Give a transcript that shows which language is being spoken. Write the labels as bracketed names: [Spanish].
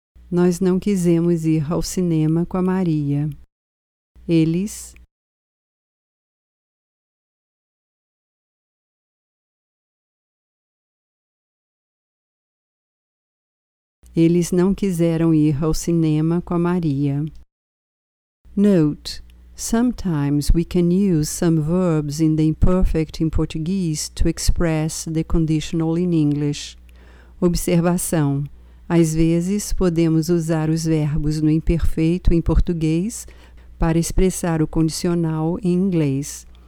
[Portuguese] Nós não quisemos ir ao cinema com a Maria. Eles. Eles não quiseram ir ao cinema com a Maria. [English] Note: sometimes we can use some verbs in the imperfect in Portuguese to express the conditional in English. [Portuguese] Observação. Às vezes, podemos usar os verbos no imperfeito em português para expressar o condicional em inglês.